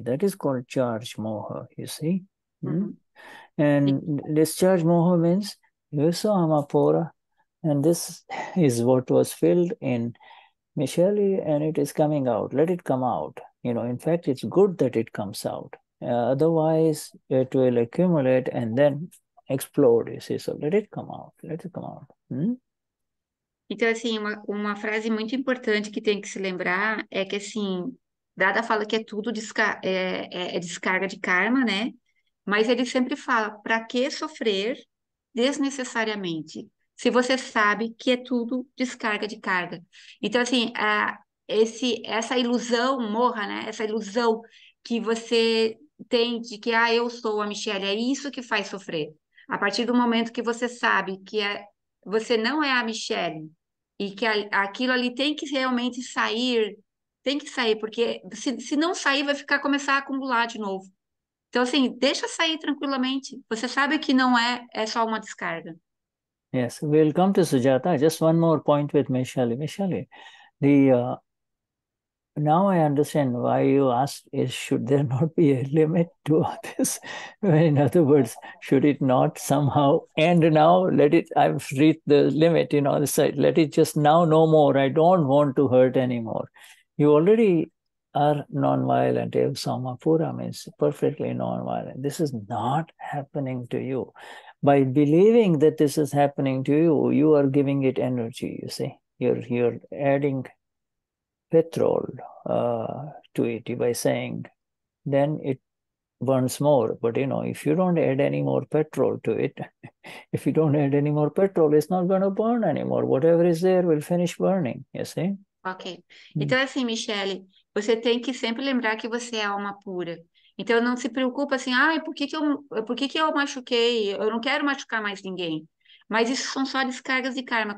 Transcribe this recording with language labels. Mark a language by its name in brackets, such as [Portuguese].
[English] That is called charge moha, you see. And discharge moha means yeso amapora, and this is what was filled in Michelli, and it is coming out. Let it come out. In fact, it's good that it comes out. Otherwise, it will accumulate and then explode, you see. So let it come out. Let it come out. [Portuguese] Então, assim, uma frase muito importante que tem que se lembrar é que, assim, Dada fala que é tudo descarga de karma, né? Mas ele sempre fala, para que sofrer desnecessariamente? Se você sabe que é tudo descarga de carga. Então, assim, essa ilusão, morra, né? Essa ilusão que você tem de que, ah, eu sou a Michelle, é isso que faz sofrer. A partir do momento que você sabe que você não é a Michelle e que aquilo ali tem que realmente sair, tem que sair, porque se não sair, vai ficar começar a acumular de novo. Então, assim, deixa sair tranquilamente. Você sabe que não é só uma descarga. [English] Yes, we'll come to Sujata. Just one more point with Michelle. Michelle, now I understand why you asked, should there not be a limit to this? In other words, should it not somehow end now? I've reached the limit, let it just now no more. I don't want to hurt anymore. You already are non-violent. Evsamapura means perfectly non-violent. This is not happening to you. By believing that this is happening to you, you are giving it energy, you see. You're adding petrol to it by saying, then it burns more. But if you don't add any more petrol to it, if you don't add any more petrol, it's not going to burn anymore. Whatever is there will finish burning, you see. Ok. [Portuguese] Então, assim, Michele, você tem que sempre lembrar que você é alma pura. Então, não se preocupa assim, ai, por que que eu machuquei? Eu não quero machucar mais ninguém. Mas isso são só descargas de karma.